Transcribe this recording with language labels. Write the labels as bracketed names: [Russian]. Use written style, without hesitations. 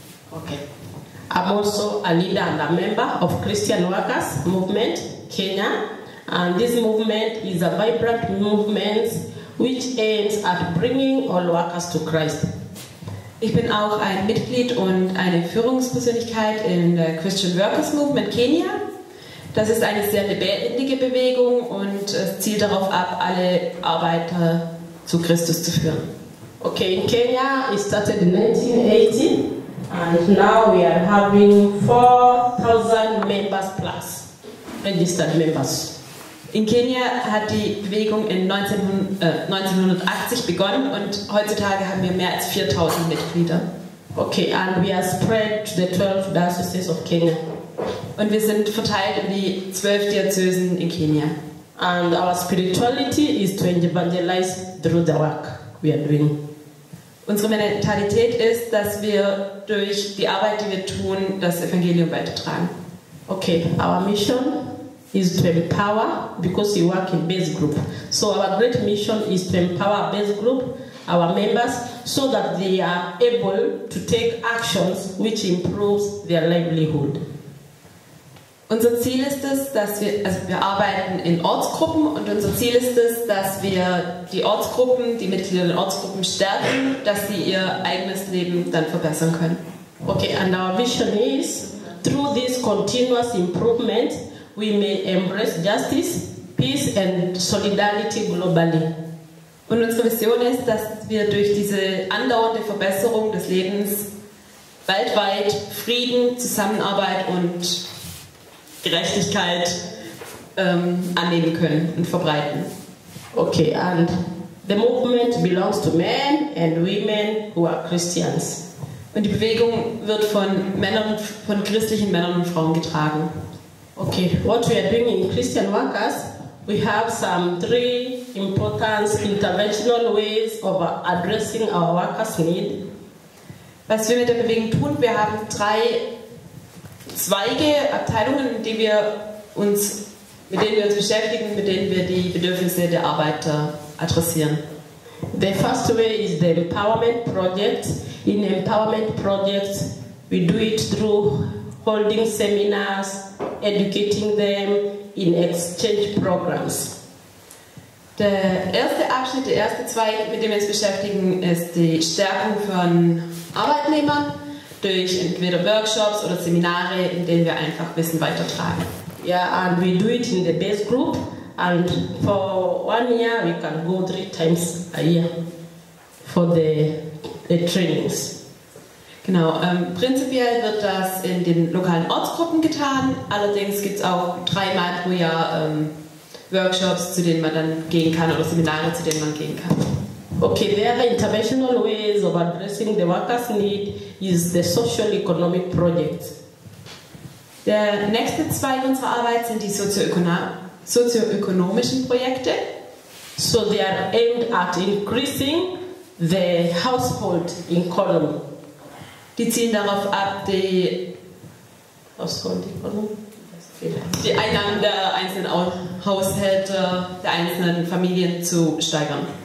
[English] Okay. I'm also a leader and a member of Christian Workers Movement, Kenya. And this movement is a vibrant movement which aims at bringing all workers to Christ. [German] Ich bin auch ein Mitglied und eine Führungspersönlichkeit in der Christian Workers Movement Kenia. Das ist eine sehr lebendige Bewegung und es zielt darauf ab, alle Arbeiter zu Christus zu führen. [English] Okay, in Kenya, we started in 1980 and now we are having 4,000 members plus, registered members. [German] In Kenia hat die Bewegung in 1980 begonnen und heutzutage haben wir mehr als 4000 Mitglieder. [English] Okay, and we are spread to the 12 dioceses of Kenya. [German] Und wir sind verteilt in die 12 Diözesen in Kenia. [English] And our spirituality is to evangelize through the work we are doing. [German] Unsere Mentalität ist, dass wir durch die Arbeit, die wir tun, das Evangelium weitertragen. [English] Okay, our mission is to empower, because we work in base group. So our great mission is to empower base group, our members, so that they are able to take actions which improves their livelihood. [German] Unser Ziel ist es, dass wir, also wir arbeiten in Ortsgruppen und unser Ziel ist es, dass wir die Ortsgruppen, die Mitglieder der Ortsgruppen stärken, dass sie ihr eigenes Leben dann verbessern können. [English] Okay, and our vision is, through this continuous improvement, we may embrace justice, peace and solidarity globally. [German] Und unsere Vision ist, dass wir durch diese andauernde Verbesserung des Lebens weltweit Frieden, Zusammenarbeit und Gerechtigkeit annehmen können und verbreiten. [English] Okay, and the movement belongs to men and women who are Christians. [German] Und die Bewegung wird von Männern, von christlichen Männern und Frauen getragen. [English] Okay, what we are doing in Christian Workers, we have some three important interventional ways of addressing our workers' need. [German] Was wir mit der Bewegung tun, wir haben drei Zweige, Abteilungen, die wir uns, mit denen wir uns beschäftigen, mit denen wir die Bedürfnisse der Arbeiter adressieren. [English] The first way is the empowerment project. In empowerment projects, we do it through holding seminars, educating them in exchange programs. [German] Der erste Abschnitt, der erste Zweig, mit dem wir uns beschäftigen, ist die Stärkung von Arbeitnehmern durch entweder Workshops oder Seminare, in denen wir einfach Wissen weitertragen. Ja, [English] yeah, and we do it in the base group. And for 1 year, we can go 3 times a year for the trainings. [German] Genau, prinzipiell wird das in den lokalen Ortsgruppen getan. Allerdings gibt es auch 3-mal pro Jahr Workshops, zu denen man dann gehen kann, oder Seminare, zu denen man gehen kann. [English] Okay, there are interventional ways of addressing the workers' need is the social-economic projects. [German] Der nächste Zweig unserer Arbeit sind die sozioökonomischen Projekte. [English] So they are aimed at increasing the household income. [German] Die zielen darauf ab, die Einnahmen der einzelnen Haushalte, der einzelnen Familien zu steigern.